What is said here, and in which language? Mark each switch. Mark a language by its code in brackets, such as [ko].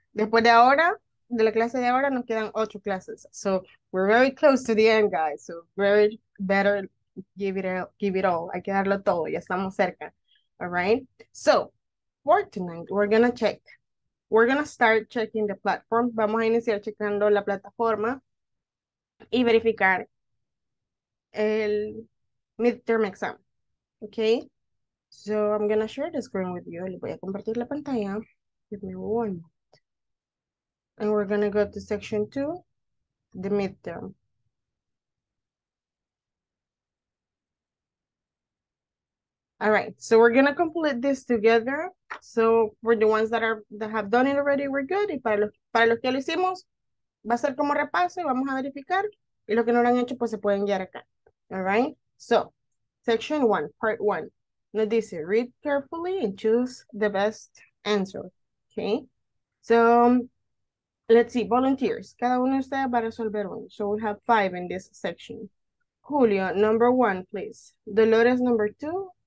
[es] Después de ahora, de la clase de ahora, nos quedan 8 clases. [en] So we're very close to the end, guys. So very better. Give it all. [es] Hay que darlo todo. Ya estamos cerca. [en] All right. So, for tonight, we're going to check. We're going to start checking the platform. [es] Vamos a iniciar checando la plataforma y verificar el midterm exam. Okay. [en] So, I'm going to share the screen with you. [es] Le voy a compartir la pantalla. [en] Give me 1 minute. And we're going to go to section 2, the midterm. All right, so we're gonna complete this together. So for the ones that have done it already, we're good. [es] Y para los que lo hicimos, va a ser como repaso y vamos a verificar. Y los que no lo han hecho, pues se pueden guiar acá. [en] All right, so section 1, part 1. [es] Nos dice, [en] read carefully and choose the best answer. Okay, so let's see, volunteers. [es] Cada uno de ustedes va a resolver uno. [en] So we have 5 in this section. Julio, number 1, please. Dolores, number 2.